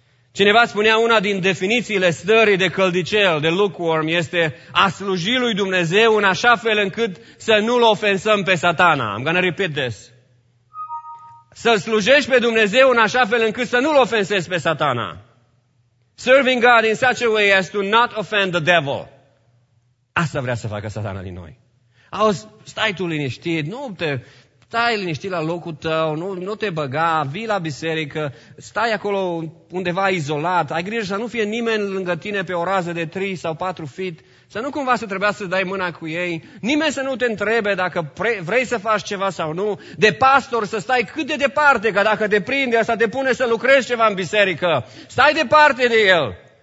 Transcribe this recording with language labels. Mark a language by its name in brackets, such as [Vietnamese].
[Romanian] Cineva spunea, una din definițiile stării de căldicel, de lukewarm, este a sluji lui Dumnezeu în așa fel încât să nu-L ofensăm pe Satana. [English] I'm gonna repeat this. [Romanian] Să slujești pe Dumnezeu în așa fel încât să nu-L ofensezi pe Satana. [English] Serving God in such a way as to not offend the devil. [Romanian] Asta vrea să facă Satana din noi. Auzi, stai tu liniștit, stai liniștit la locul tău, nu te băga, vii la biserică, stai acolo undeva izolat, ai grijă să nu fie nimeni lângă tine pe o rază de 3 sau 4 feet, să nu cumva să trebuia să dai mâna cu ei, nimeni să nu te întrebe dacă vrei să faci ceva sau nu, de pastor să stai cât de departe, că dacă te prinde asta te pune să lucrezi ceva în biserică, stai departe de el.